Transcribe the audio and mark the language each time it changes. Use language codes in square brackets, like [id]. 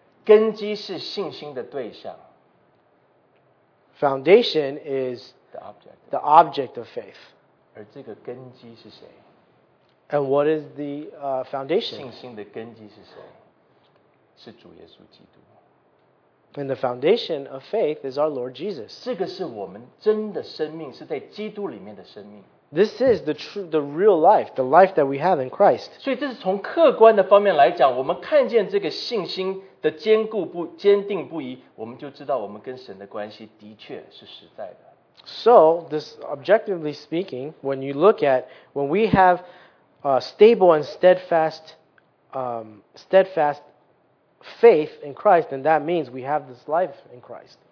[zh] 根基是信心的对象。 [en] Foundation is the object of faith. [zh] 而这个根基是谁? [en] And what is the foundation? [zh] 信心的根基是谁?是主耶稣基督。 [en] And the foundation of faith is our Lord Jesus. [zh] 这个是我们真的生命, 是在基督里面的生命。 [en] This is the real life, the life that we have in Christ. [zh] 所以这是从客观的方面来讲, 我们看见这个信心的坚定不移, 我们就知道我们跟神的关系的确是实在的。 [en] So, this objectively speaking, when you look at, when we have stable and steadfast faith in Christ, then that means we have this life in Christ.